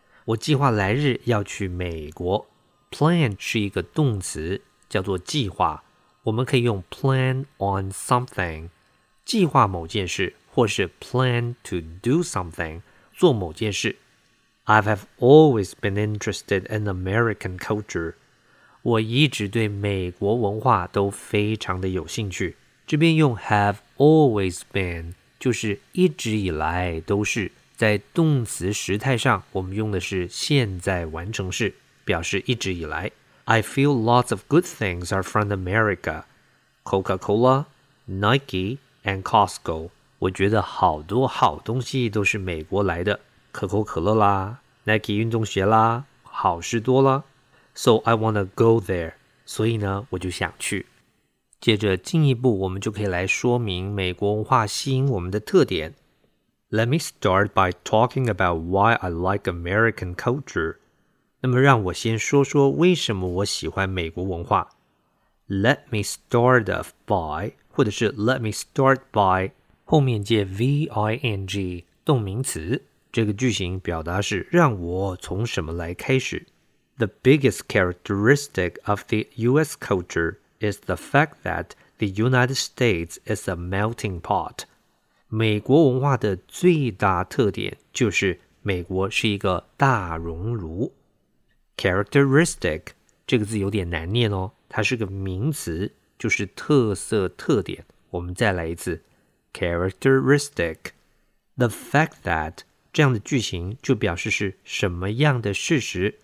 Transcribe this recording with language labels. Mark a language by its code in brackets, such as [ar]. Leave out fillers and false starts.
[zh] 我计划来日要去美国。Plan 是一个动词，叫做计划。我们可以用 [en] plan on something, [zh] 计划某件事，或是 [en] plan to do something, [zh] 做某件事。 [en] I have always been interested in American culture. [zh] 我一直对美国文化都非常的有兴趣。这边用 [en] have always been, [zh] 就是一直以来都是。在动词时态上我们用的是现在完成式，表示一直以来。 [en] I feel lots of good things are from America. Coca-Cola, Nike, and Costco. [zh] 我觉得好多好东西都是美国来的。可口可乐啦， Nike 运动鞋啦，好事多啦。 [en] So I want to go there. [zh] 所以呢，我就想去。接着进一步，我们就可以来说明美国文化吸引我们的特点。 [en] Let me start by talking about why I like American culture. [zh] 那么让我先说说为什么我喜欢美国文化。 [en] Let me start off by, [zh] 或者是 [en] let me start by, [zh] 后面接 V-I-N-G, 动名词。这个句型表达是让我从什么来开始。 [en] The biggest characteristic of the U.S. culture is the fact that the United States is a melting pot. [zh] 美国文化的最大特点就是美国是一个大熔炉。 Characteristic, 这个字有点难念哦，它是个名词，就是特色特点。我们再来一次。 [en] Characteristic, the fact that, [zh] 这样的句型就表示是什么样的事实。